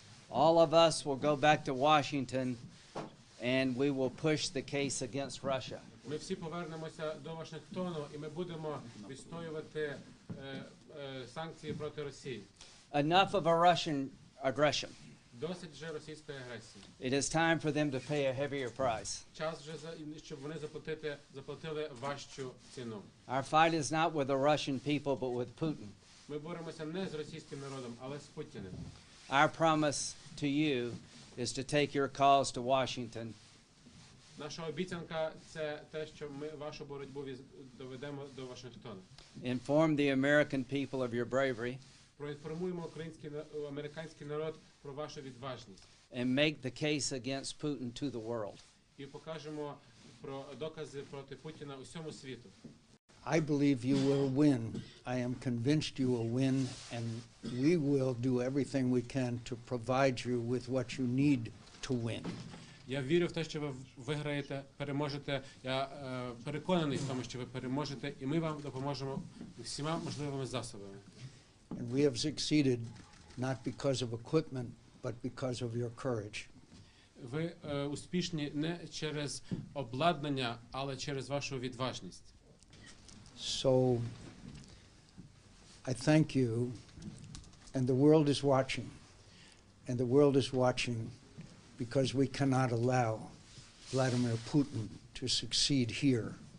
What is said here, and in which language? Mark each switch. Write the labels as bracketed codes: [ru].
[en] All of us will go back to Washington and we will push the case against Russia. [uk] Ми всі повернемося до Вашингтону і ми будемо відстоювати санкції проти Росії. [en] Enough of a Russian aggression. [uk] Досить вже російської агресії. [en] It is time for them to pay a heavier price. [uk] Час вже щоб вони заплатили важчу ціну. [en] Our fight is not with the Russian people, but with Putin. [uk] Ми боремося не з російським народом, але з Путіним. [en] Our promise to you is to take your calls to Washington. [uk] Наша обіцянка це те, що ми вашу боротьбу доведемо до Вашингтона. [en] Inform the American people of your bravery. [uk] Проінформуємо американський народ про вашу відважність. [en] And make the case against Putin to the world. [uk] І покажемо про докази проти Путіна усьому світу. [en] I believe you will win. I am convinced you will win, and we will do everything we can to provide you with what you need to win. [uk] Я вірю в те, що ви виграєте, переможете. Я переконаний в тому, що ви переможете, і ми вам допоможемо всіма можливими засобами. [en] And we have succeeded not because of equipment, but because of your courage. [uk] Ви успішні не через обладнання, але через вашу відважність. [en] So I thank you, and the world is watching. And the world is watching. Because we cannot allow Vladimir Putin to succeed here.